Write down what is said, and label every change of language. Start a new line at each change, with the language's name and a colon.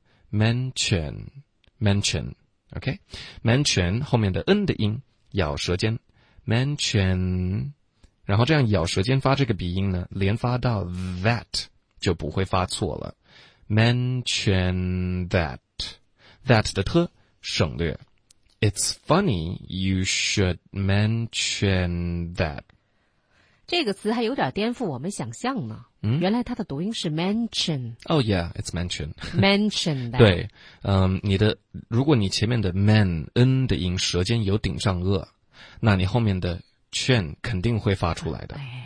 English: mention mention OK mention
Chinese: 后面的 n 的音咬舌尖 mention， 然后这样咬舌尖发这个鼻音呢，连发到 that 就不会发错了，
English: mention that，
Chinese: that 的 t 省略。
English: It's funny you should mention that，
Chinese: 这个词还有点颠覆我们想象呢。嗯，原来它的读音是 mention。
English: Oh yeah, it's mention. Mention.
Chinese: 对，你的如果你前面的 man n 的音舌尖有顶上颚，那你后面的 chen 肯定会发出来的。